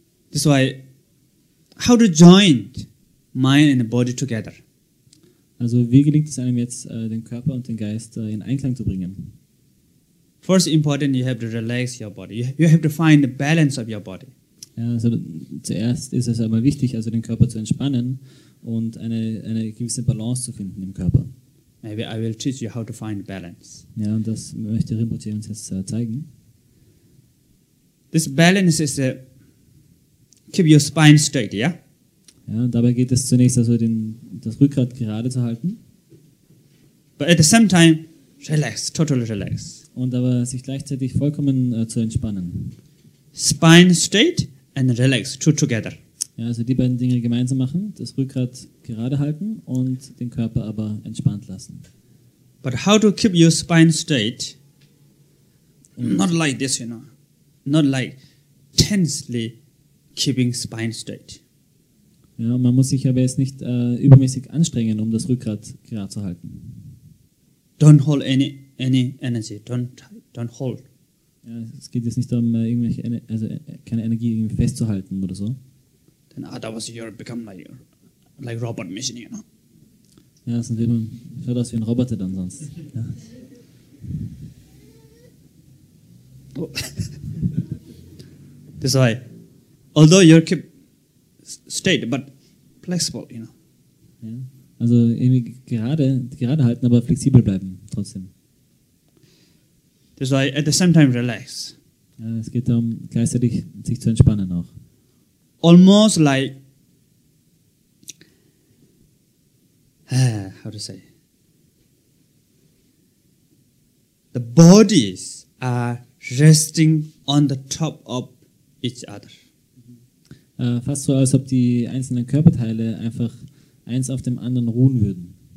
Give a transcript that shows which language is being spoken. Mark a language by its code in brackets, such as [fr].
[en] That's why, how to join mind and body together? [de] Also wie gelingt es einem jetzt, den Körper und den Geist in Einklang zu bringen? [en] First important, you have to relax your body. You have to find the balance of your body. [de] Ja, also zuerst ist es aber wichtig, also den Körper zu entspannen und eine gewisse Balance zu finden im Körper. [en] Maybe I will teach you how to find balance. [de] Ja, und das möchte Rinpoche uns jetzt zeigen. [en] This balance is to keep your spine straight, yeah? [de] Ja, und dabei geht es zunächst also das Rückgrat gerade zu halten. [en] But at the same time, relax, totally relax. [de] Und aber sich gleichzeitig vollkommen zu entspannen. [en] Spine straight and relax, two together. [de] Ja, also die beiden Dinge gemeinsam machen, das Rückgrat gerade halten und den Körper aber entspannt lassen. [en] But how to keep your spine straight? Not like this, you know. Not like tensely keeping spine straight. [de] Ja, man muss sich aber jetzt nicht übermäßig anstrengen, um das Rückgrat gerade zu halten. [en] Don't hold any energy. Don't hold. [de] Ja, es geht jetzt nicht darum, irgendwelche keine Energie irgendwie festzuhalten oder so. [en] Then otherwise you become like robot machine, you know. [de] Ja, das sind eben so aus wie ein Roboter dann sonst. Ja. Oh. [en] This way. Although you keep straight, but flexible, you know. [de] Ja, also irgendwie gerade halten, aber flexibel bleiben trotzdem. [en] This way, at the same time relax. [de] Ja, es geht darum, gleichzeitig sich zu entspannen auch. [en] Almost like how to say? The bodies are resting on the top of each other. [de] Fast so, als ob die einzelnen Körperteile einfach eins auf dem anderen ruhen würden.